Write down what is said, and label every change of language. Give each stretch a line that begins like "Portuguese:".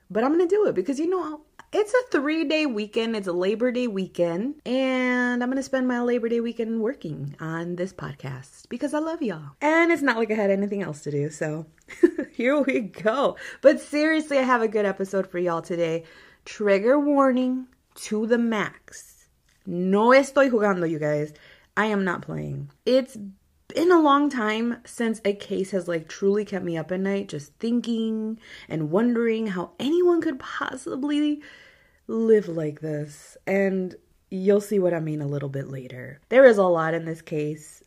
English: But I'm going to do it because, you know, it's a 3-day weekend. It's a Labor Day weekend. And I'm going to spend my Labor Day weekend working on this podcast because I love y'all. And it's not like I had anything else to do. So here we go. But seriously, I have a good episode for y'all today. Trigger warning to the max.
Spanish: No estoy jugando,
English: you guys. I am not playing. It's been a long time since a case has like truly kept me up at night just thinking and wondering how anyone could possibly live like this. And you'll see what I mean a little bit later. There is a lot in this case.